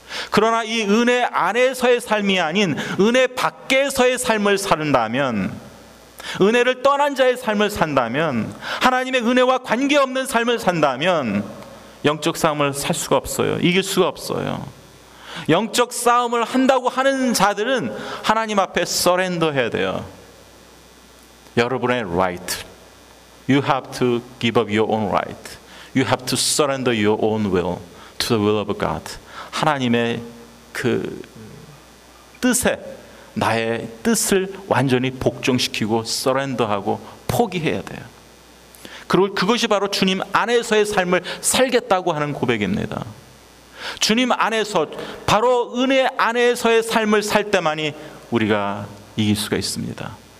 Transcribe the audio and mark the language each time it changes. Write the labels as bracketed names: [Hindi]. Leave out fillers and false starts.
[Korean] 그러나 이 은혜 안에서의 삶이 아닌 은혜 밖에서의 삶을 산다면, 은혜를 떠난 자의 삶을 산다면, 하나님의 은혜와 관계없는 삶을 산다면 영적 싸움을 살 수가 없어요. 이길 수가 없어요. 영적 싸움을 한다고 하는 자들은 하나님 앞에 서렌더 해야 돼요. 여러분의 right. [English] You have to give up your own right. You have to surrender your own will to the will of God. [Korean] 하나님의 그 뜻에, 나의 뜻을 완전히 복종시키고 서렌더하고 포기해야 돼요. 그리고 그것이 바로 주님 안에서의 삶을 살겠다고 하는 고백입니다. 주님 안에서, 바로 은혜 안에서의 삶을 살 때만이 우리가 이길 수가 있습니다.